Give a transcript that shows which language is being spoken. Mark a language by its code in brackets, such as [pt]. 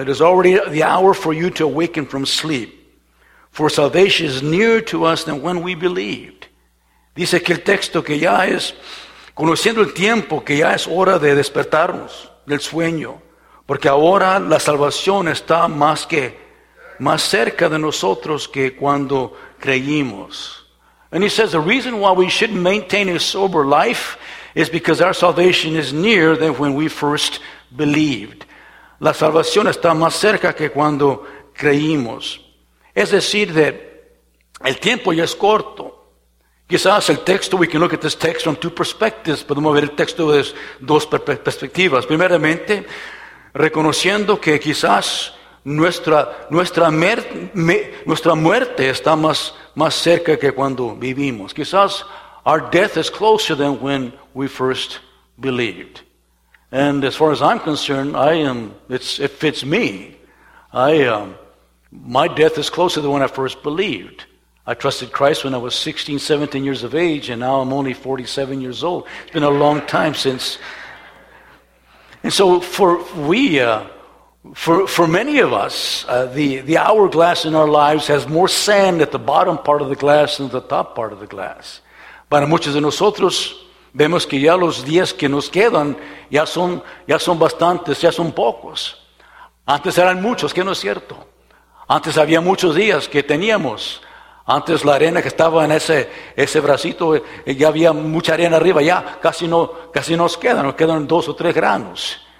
[en] It is already the hour for you to awaken from sleep. For salvation is nearer to us than when we believe. [es] Dice que el texto que ya es, conociendo el tiempo, que ya es hora de despertarnos del sueño, porque ahora la salvación está más cerca de nosotros que cuando creímos. [en] And he says the reason why we should maintain a sober life is because our salvation is nearer than when we first believed. [es] La salvación está más cerca que cuando creímos. Es decir, that el tiempo ya es corto. Quizás el texto, [en] we can look at this text from two perspectives. [es] Podemos ver el texto de dos perspectivas. Primeramente, reconociendo que quizás nuestra muerte está más cerca que cuando vivimos. [en] Quizás our death is closer than when we first believed. And as far as I'm concerned, it fits me. My death is closer than when I first believed. I trusted Christ when I was 16, 17 years of age, and now I'm only 47 years old. It's been a long time since. And so for many of us, the hourglass in our lives has more sand at the bottom part of the glass than the top part of the glass. [es] Para muchos de nosotros, vemos que ya los días que nos quedan ya son bastantes, ya son pocos. Antes eran muchos, que no es cierto. Antes había muchos días que teníamos. Antes la arena que estaba en ese bracito, ya había mucha arena arriba, ya casi nos quedan dos o tres granos.